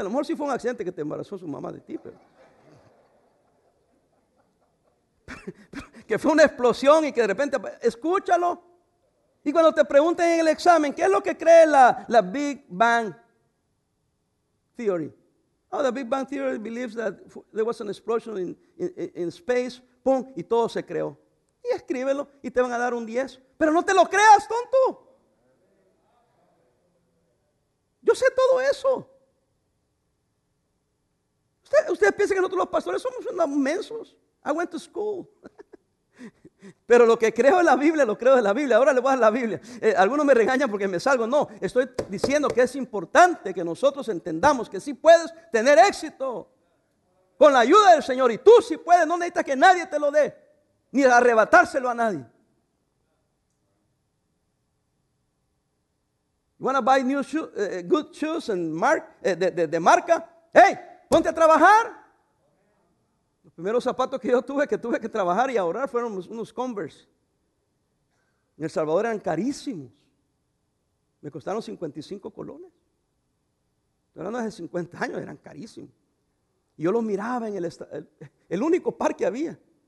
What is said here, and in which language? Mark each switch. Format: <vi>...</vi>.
<es>A lo mejor sí fue un accidente que te embarazó su mamá de ti. Pero que fue una explosión y que de repente, escúchalo. Y cuando te pregunten en el examen, ¿qué es lo que cree la Big Bang Theory?</es> <en>Oh, the Big Bang Theory believes that there was an explosion in space, pum,</en> <es>y todo se creó. Y escríbelo y te van a dar un 10. Pero no te lo creas, tonto. Yo sé todo eso. Ustedes piensan que nosotros los pastores somos unos mensos.</es> <en>I went to school.</en> <es>Pero lo que creo en la Biblia, lo creo en la Biblia. Ahora le voy a la Biblia. Algunos me regañan porque me salgo. No, estoy diciendo que es importante que nosotros entendamos que sí puedes tener éxito con la ayuda del Señor. Y tú sí puedes, no necesitas que nadie te lo dé. Ni arrebatárselo a nadie.</es> <en>You want to buy new shoes, good shoes and mark,</en> <es>de marca? Hey, ponte a trabajar. Los primeros zapatos que yo tuve que trabajar y ahorrar fueron unos Converse. En El Salvador eran carísimos. Me costaron 55 colones. Pero no hace 50 años, eran carísimos. Y yo los miraba en el único par que había.</es>